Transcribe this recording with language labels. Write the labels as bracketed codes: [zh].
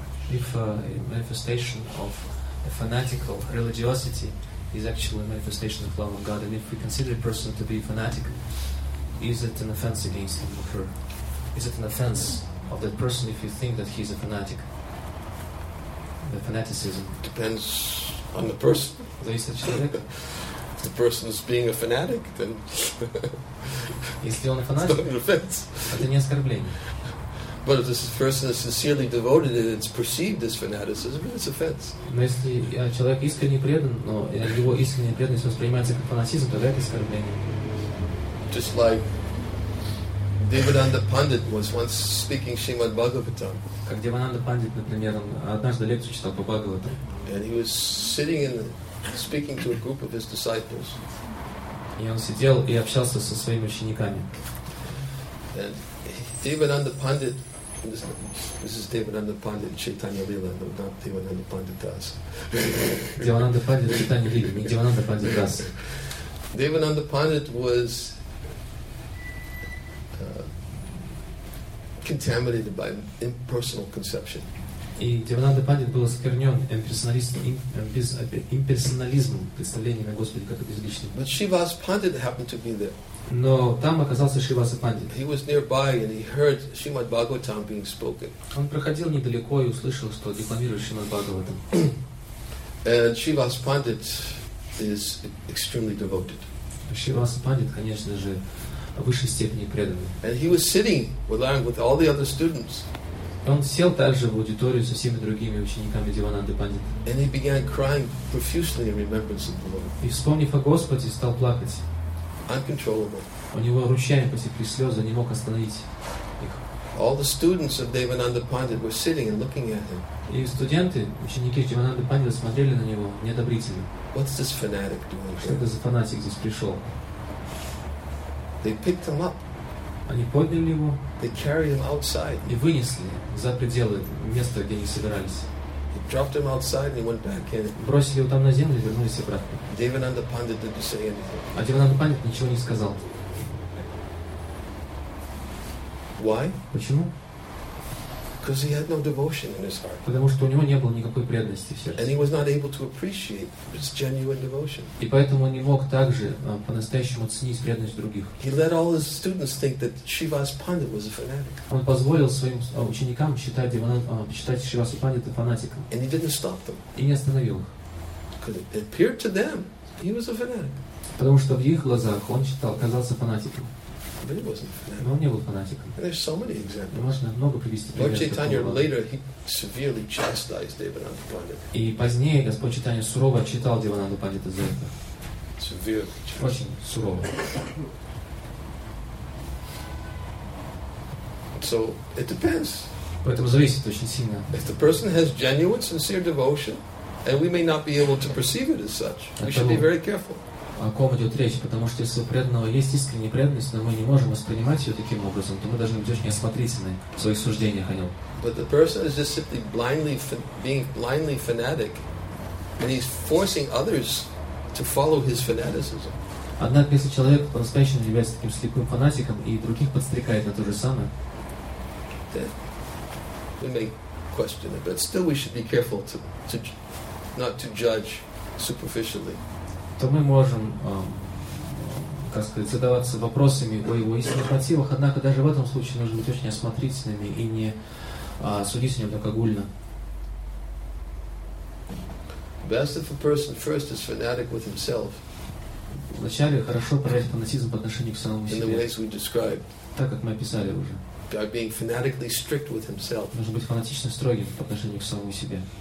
[en] If a manifestation of a fanatical religiosity is actually a manifestation of love of God, and if we consider a person to be fanatic, is it an offense against him or her? Is it an offense of that person if you think that he's a fanatic? the fanaticism? Depends on the person. [ru] Зависит от человека. [en] If the person is being a fanatic, then [ru] если он фанатик, это не оскорбление. [en] But if this person is sincerely devoted and it's perceived as fanaticism, it's offense. [ru] Но если человек искренне предан, но его искренняя преданность воспринимается как фанатизм, то это оскорбление. [en] Just like Devananda Pandit was once speaking Srimad Bhagavatam. [ru] Как Девананда Пандит, например, однажды лекцию читал по Бхагаватам. [en] And he was sitting and speaking to a group of his disciples. [ru] И он сидел и общался со своими учениками. [en] And Devananda Pandit, this is Devananda Pandit, Chaitanya Lila, no, not Devananda Pandit Das. Devananda Pandit, Chaitanya Lila, not Devananda Pandit Das. Devananda Pandit was contaminated by impersonal conception. [ru] И Девананда Пандит был осквернен имперсонализмом, представлением о Господе как о безличном. [en] But Shrivas Pandit happened to be there. [ru] Но там оказался Шриваса Пандит. [en] He was nearby and he heard Srimad Bhagavatam being spoken. [ru] Он проходил недалеко и услышал, что декламирует Шримад Бхагаватам. [en] And Shrivas Pandit is extremely devoted. [ru] Шриваса Пандит, конечно же, в высшей степени преданный. [en] And he was sitting along with all the other students. [ru] Он сел также в аудиторию со всеми другими учениками Девананды Пандита. [en] And he began crying profusely in remembrance of the Lord. [ru] И вспомнив о Господе, стал плакать. [en] Uncontrollable. [ru] У него ручьями потекли слезы, не мог остановить их. [en] All the students of Devananda Pandit were sitting and looking at him. [ru] И студенты, ученики Девананды Пандита смотрели на него неодобрительно. [en] What's this fanatic doing? [ru] Что это за фанатик здесь пришел? [en] They picked him up. [ru] Они подняли его. [en] They carried him outside. [ru] И вынесли за пределы места, где они собирались. [en] They dropped him outside and he went back in. [ru] Бросили его там на землю и вернулись обратно. [en] Devananda Pandit didn't say anything. [ru] А Девананда Пандит ничего не сказал. [en] Why? [ru] Почему? [en] Because he had no devotion in his heart. [ru] Потому что у него не было никакой преданности в сердце. [en] And he was not able to appreciate his genuine devotion. [ru] И поэтому он не мог также по-настоящему ценить преданность других. [en] He let all his students think that Shrivas Pandit was a fanatic. [ru] Он позволил своим ученикам считать Шривасу Пандита фанатиком. [en] And he didn't stop them. [ru] И не остановил их. [en] Because it appeared to them he was a fanatic. [ru] Потому что в их глазах он казался фанатиком. [en] But he wasn't. [ru] Но он не был фанатиком. [en] And there's so many examples. [ru] Можно много привести примеров. [en] Lord Chaitanya later he severely chastised Devananda Pandit. [ru] И позднее Господь Чайтанья сурово отчитал Девананду Пандита за это. [en] Severely. [ru] Очень сурово. [en] So it depends. [ru] Поэтому зависит очень сильно. [en] If the person has genuine, sincere devotion, and we may not be able to perceive it as such, we should be very careful. [ru] О ком идет речь, потому что если у преданного есть искренняя преданность, но мы не можем воспринимать ее таким образом, то мы должны быть очень осмотрительны в своих суждениях о нем. [en] But the person is just simply blindly being blindly fanatic, and he's forcing others to follow his fanaticism. [ru] Однако, если человек по-настоящему является таким слепым фанатиком и других подстрекает на то же самое, [en] then we may question it, but still we should be careful to not to judge superficially. [ru] То мы можем, как сказать, задаваться вопросами о его истинных мотивах, однако даже в этом случае нужно быть очень осмотрительными и не судить о нем так огульно. [en] Best if a person first is fanatic with himself. [ru] Вначале хорошо проявить фанатизм по отношению к самому себе. [en] In the ways we described. [ru] Так как мы описали уже. [en] By being fanatically strict with himself. [ru] Нужно быть фанатично строгим по отношению к самому себе.